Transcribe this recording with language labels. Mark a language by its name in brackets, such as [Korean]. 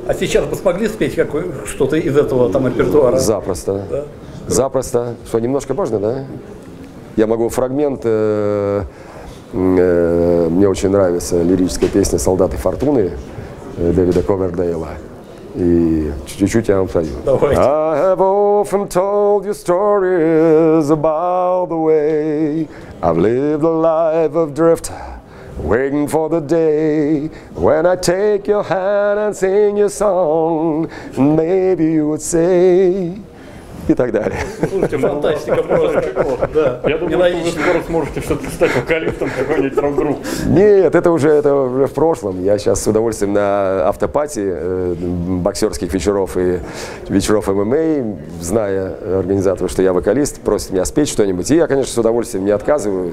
[Russian] А сейчас бы смогли спеть что-то из этого там репертуара? Запросто. Да? Запросто. Что, немножко можно, да? Я могу фрагмент. Мне очень нравится лирическая песня «Солдаты фортуны» Дэвида Ковердейла. И чуть-чуть я вам пою. Давайте. [English] I have often told you stories about the way I've lived a life of drift, waiting for the day when I take your hand and sing your song, maybe you would say. [Russian] И так далее. Слушайте, фантастика просто. Я думаю, что вы скоро сможете что-то стать вокалистом какой-нибудь рок-группы. Нет, это уже в прошлом. Я сейчас с удовольствием на автопати боксерских вечеров и вечеров ММА, зная организатора, что я вокалист, просит меня спеть что-нибудь. И я, конечно, с удовольствием не отказываю.